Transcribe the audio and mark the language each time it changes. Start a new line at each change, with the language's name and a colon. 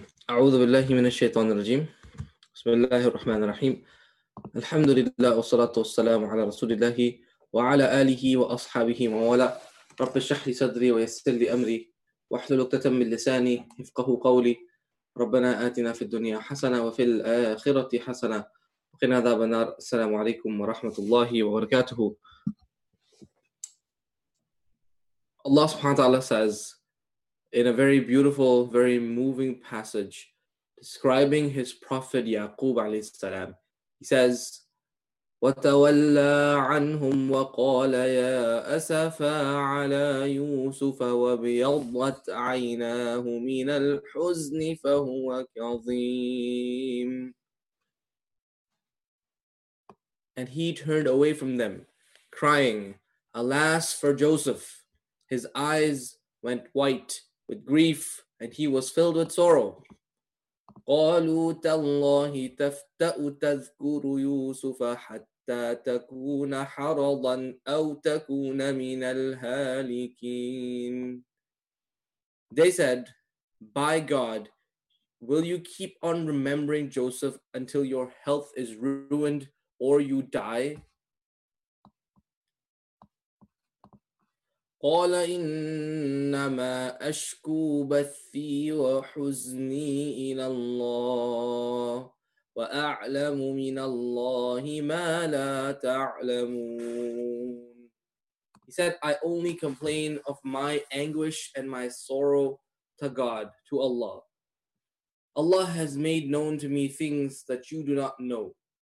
Arabic: أعوذ بالله من الشيطان الرجيم بسم الله الرحمن الرحيم الحمد لله والصلاة والسلام على رسول الله وعلى آله وأصحابه وموالا رب اشرح لي صدري ويسر لي أمري واحلل عقدة من لساني يفقه قولي ربنا آتنا في الدنيا حسنة وفي الآخرة حسنة وقنا عذاب النار السلام عليكم ورحمة الله وبركاته.
English: Allah subhanahu wa ta'ala says in a very beautiful, very moving passage describing his prophet Yaqub alayhi salam. He says,
Arabic: وَتَوَلَّى عَنْهُمْ وَقَالَ يَا أَسَفَا عَلَى يُوسُفَ وَبِيَضَّتْ عَيْنَاهُ مِنَ الْحُزْنِ فَهُوَ كَظِيمٌ.
English: And he turned away from them, crying, Alas for Joseph! His eyes went white with grief, and he was filled with sorrow.
Arabic: قَالُوا تَاللَّهِ تَفْتَأُ تَذْكُرُ يُوسُفَ حَتَّى تَكُونَ حَرَضًا أَوْ تَكُونَ مِنَ الْهَالِكِينَ.
English: They said, by God, will you keep on remembering Joseph until your health is ruined or you die?
Arabic: قال إنما أشكو بثي وحزني إلى الله وأعلم من الله ما لا تعلمون.
English: He said, I only complain of my anguish and my sorrow to God, to Allah. Allah has made known to me things that you do not know.